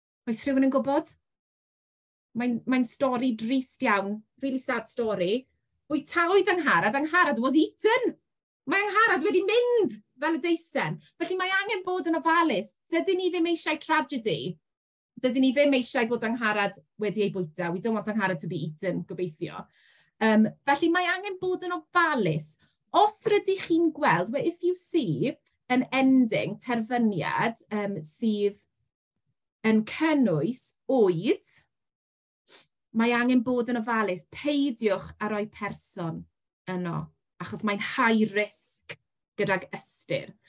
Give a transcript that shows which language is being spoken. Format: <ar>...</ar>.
<cy>Oes rhywun yn gwybod? Mae'n stori drist iawn,</cy> <en>really sad</en> <cy>stori. Bwytaoed angharad,</cy> <en>angharad was eaten.</en> <cy>Mae angharad wedi mynd fel y deisen. Felly mae angen bod yn ofalus. Dydyn ni ddim eisiau tragedy. Dydyn ni ddim eisiau bod angharad wedi ei bwyta.</cy> <en>We don't want angharad to be eaten, gobeithio.</en> <cy>Felly mae angen bod yn ofalus. Os rydych chi'n gweld,</cy> <en>well, if you see an ending,</en> <cy>terfyniad, sydd yn cynnwys oed, mae angen bod yn ofalus. Peidiwch ar oi person yno, achos mae'n high risk gyda'r ystyr.</cy>